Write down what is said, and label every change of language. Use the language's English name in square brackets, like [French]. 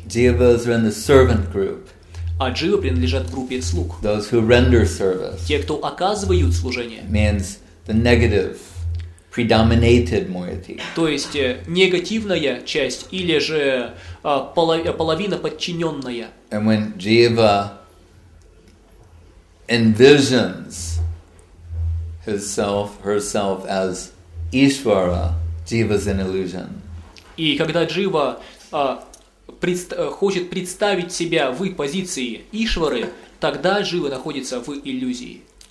[English] Jivas are in the servant group. [Russian] А дживы принадлежат группе слуг. [English] Those who render service. [Russian] Те, кто оказывают служение. [English] Means the negative, predominated moiety. [Russian] То есть негативная часть или же половина подчиненная. [English] And when jiva envisions himself, herself as Ishvara, jiva's an illusion. [Russian] И когда джива хочет представить себя в позиции Ишвары, тогда джива находится в иллюзии.